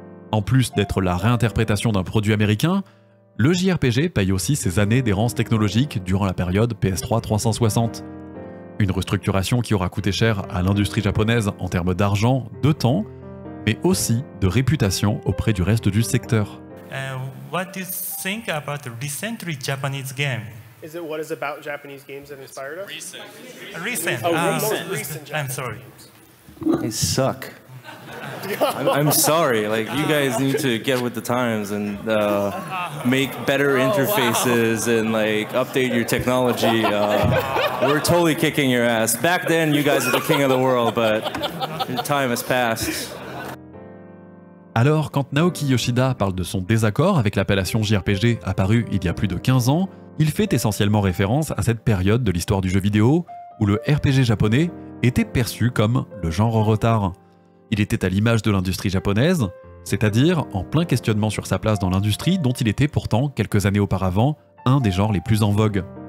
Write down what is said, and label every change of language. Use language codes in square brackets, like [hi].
[fr] En plus d'être la réinterprétation d'un produit américain, le JRPG paye aussi ses années d'errance technologique durant la période PS3 360. Une restructuration qui aura coûté cher à l'industrie japonaise en termes d'argent, de temps, mais aussi de réputation auprès du reste du secteur. [en] What is think about a recently Japanese game? Is it what is about Japanese games that inspired us? Recent. I'm sorry. They suck. I'm sorry. Like, you guys need to get with the times and make better interfaces and like update your technology. We're totally kicking your ass. Back then, you guys were the king of the world, but your time has passed. [fr] Alors, quand Naoki Yoshida parle de son désaccord avec l'appellation JRPG apparue il y a plus de 15 ans, il fait essentiellement référence à cette période de l'histoire du jeu vidéo où le RPG japonais était perçu comme le genre en retard. Il était à l'image de l'industrie japonaise, c'est-à-dire en plein questionnement sur sa place dans l'industrie dont il était pourtant, quelques années auparavant, un des genres les plus en vogue.